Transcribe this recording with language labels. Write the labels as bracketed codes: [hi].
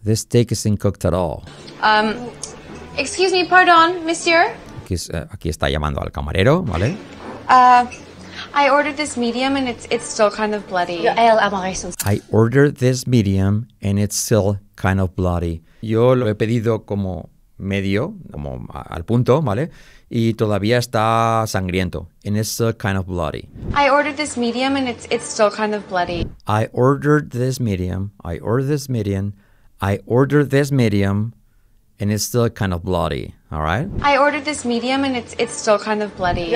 [en] This steak isn't cooked at all. Excuse me, pardon, monsieur. [es] Aquí está llamando al camarero, ¿vale? [en] I ordered this medium and it's still kind of bloody. I ordered this medium and it's still kind of bloody. [es] Yo lo he pedido como medio, como al punto, ¿vale? Y todavía está sangriento. [en] And it's still kind of bloody. I ordered this medium and it's still kind of bloody. I ordered this medium. I ordered this medium. I ordered this medium. And it's still kind of bloody, all right? I ordered this medium and it's still kind of bloody.